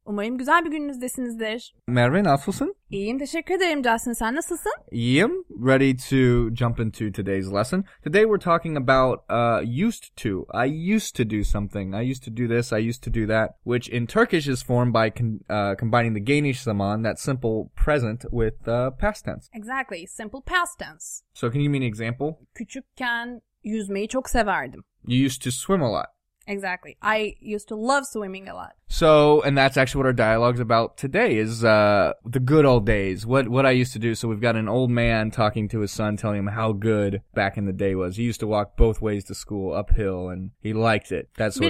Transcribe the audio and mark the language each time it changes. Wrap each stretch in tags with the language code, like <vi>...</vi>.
<tr>Umarım güzel bir gününüzdesinizdir. Merve, nasılsın? İyiyim, teşekkür ederim Justin. Sen nasılsın? İyiyim.</tr> <en>Ready to jump into today's lesson. Today we're talking about used to. I used to do something. I used to do this, I used to do that. Which in Turkish is formed by combining the Geniş Zaman, that simple present, with past tense. Exactly, simple past tense. So can you give me an example?</en> <tr>Küçükken yüzmeyi çok severdim.</tr> <en>You used to swim a lot. Exactly. I used to love swimming a lot. So, and that's actually what our dialogue's about today, is the good old days, what I used to do. So we've got an old man talking to his son, telling him how good back in the day was. He used to walk both ways to school, uphill, and he liked it, that sort</en>